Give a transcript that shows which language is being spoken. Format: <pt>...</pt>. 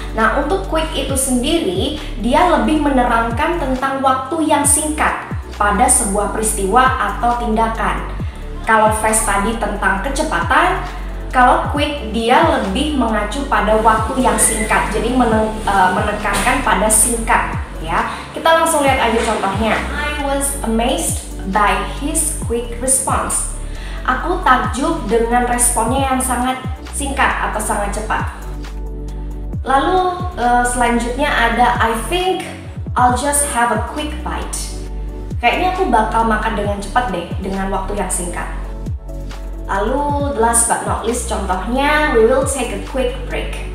<id>Nah, untuk quick itu sendiri, dia lebih menerangkan tentang waktu yang singkat pada sebuah peristiwa atau tindakan. Kalau fast tadi tentang kecepatan, kalau quick dia lebih mengacu pada waktu yang singkat, jadi menekankan pada singkat, ya. Kita langsung lihat aja contohnya.</id> <en>I was amazed by his quick response.</en> <id>Aku takjub dengan responnya yang sangat singkat atau sangat cepat. Lalu selanjutnya ada</id> <en>I think I'll just have a quick bite.</en> <id>Kayaknya aku bakal makan dengan cepat deh dengan waktu yang singkat.</id> <en>Lalu, last but not least,</en> <id>contohnya,</id> <en>we will take a quick break.</en>